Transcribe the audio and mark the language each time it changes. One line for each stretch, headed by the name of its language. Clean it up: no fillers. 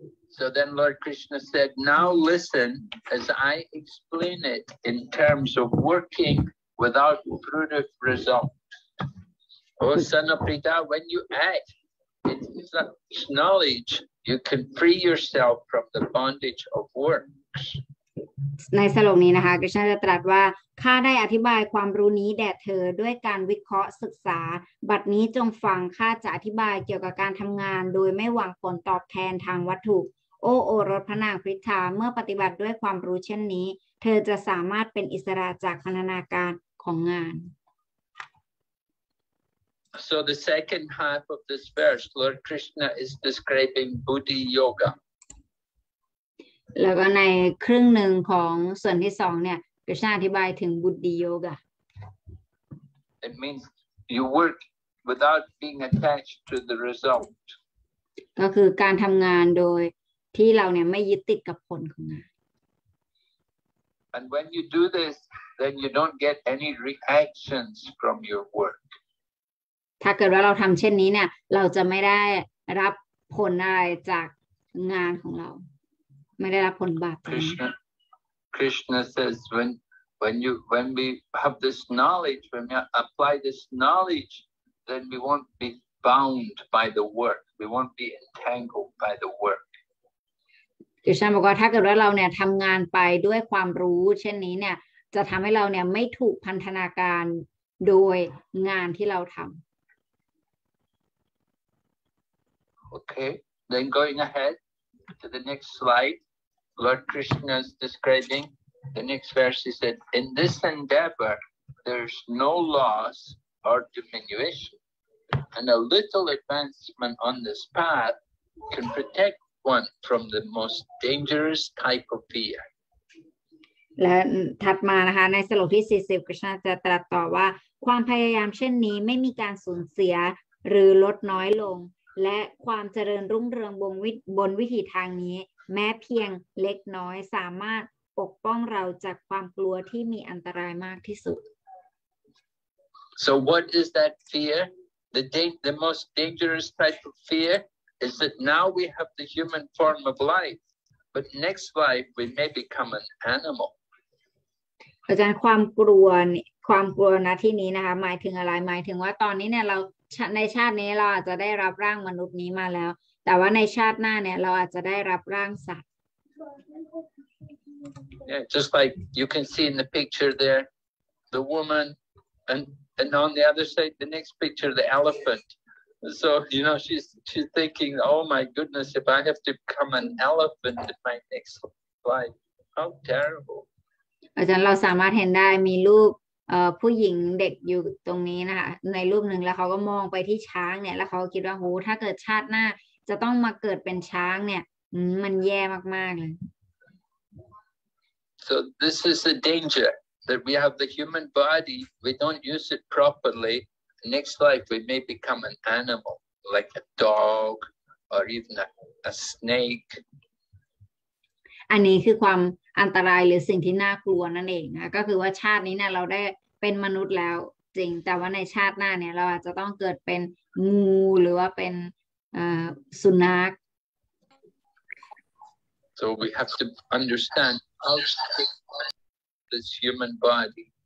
English: so then Lord Krishna said now listen as I explain it in terms of working without fruitive resultOh, son of Pita, when you act in such knowledge, you can free yourself from the bondage of works.
Thai: ในสโลกนี้นะคะคริชนาจะตรัสว่าข้าได้อธิบายความรู้นี้แด่เธอด้วยการวิเคราะห์ศึกษาบัดนี้จงฟังข้าจะอธิบายเกี่ยวกับการทำงานโดยไม่หวังผลตอบแทนทางวัตถุโอ้โอรสพระนางพริตาเมื่อปฏิบัติด้วยความรู้เช่นนี้เธอจะสามารถเป็นอิสระจากพันธนาการของงาน
English: So the second half of this verse, Lord Krishna is describing Buddhi Yoga.
Thai: แล้วก็ในครึ่งหนึ่งของส่วนที่สองเนี่ยคริชนาอธิบายถึงบุตติโยกะ
English: It means you work without being attached to the result.
Thai: ก็คือการทำงานโดยที่เราเนี่ยไม่ยึดติดกับผลของงาน
English: And when you do this, then you don't get any reactions from your work.
Thai: ถ้าเกิดว่าเราทำเช่นนี้เนี่ยเราจะไม่ได้รับผลอะไรจากงานของเราไม่ได้รับผลบาป
English: Krishna says when we have this knowledge when we apply this knowledge then we won't be bound by the work we won't be entangled by the work
Thai: Krishna บอกว่าถ้าเกิดว่าเราเนี่ยทำงานไปด้วยความรู้เช่นนี้เนี่ยจะทำให้เราเนี่ยไม่ถูกพันธนาการโดยงานที่เราทำ
English: Okay, then going ahead to the next slide, Lord Krishna is describing the next verse. He said, in this endeavor, there's no loss or diminution. And a little advancement on this path can protect one from the most dangerous type of fear.
Thai: และถัดมานะคะในสโลกที่40 Krishna จะตรัสต่อว่าความพยายามเช่นนี้ไม่มีการสูญเสียหรือลดน้อยลงและความเจริญรุ่งเรืองบนวิถีทางนี้แม้เพียงเล็กน้อยสามารถปกป้องเราจากความกลัวที่มีอันตรายมากที่สุด
English: So what is that fear? The most dangerous type of fear is that now we have the human form of life, but next life we may become an animal.
Thai: อาจารย์ความกลัวนะที่นี้นะคะหมายถึงอะไรหมายถึงว่าตอนนี้เนี่ยเราในชาตินี้เราอาจจะได้รับร่างมนุษย์นี้มาแล้วแต่ว่าในชาติหน้าเนี่ยเราอาจจะได้รับร่างสัตว์
English: Yeah just like you can see in the picture there the woman and on the other side the next picture the elephant so you know she's thinking oh my goodness if I have to become an elephant in my next life how terrible
Thai: อาจารย์เราสามารถเห็นได้มีลูกผู้หญิงเด็กอยู่ตรงนี้นะคะในรูปหนึ่งแล้วเขาก็มองไปที่ช้างเนี่ยแล้วเขาคิดว่าโหถ้าเกิดชาติหน้าจะต้องมาเกิดเป็นช้างเนี่ยมันแย่มากๆเลย
English: So this is a danger that we have the human body we don't use it properly next life we may become an animal like a dog or even a snake
Thai: อันนี้คือความอันตรายหรือสิ่งที่น่ากลัวนั่นเองนะก็คือว่าชาตินี้เนี่ยเราได้เป็นมนุษย์แล้วจริงแต่ว่าในชาติหน้าเนี่ยเราอาจจะต้องเกิดเป็นงูหรือว่าเป็นสุนัข
English: So we have to understand how strong this human body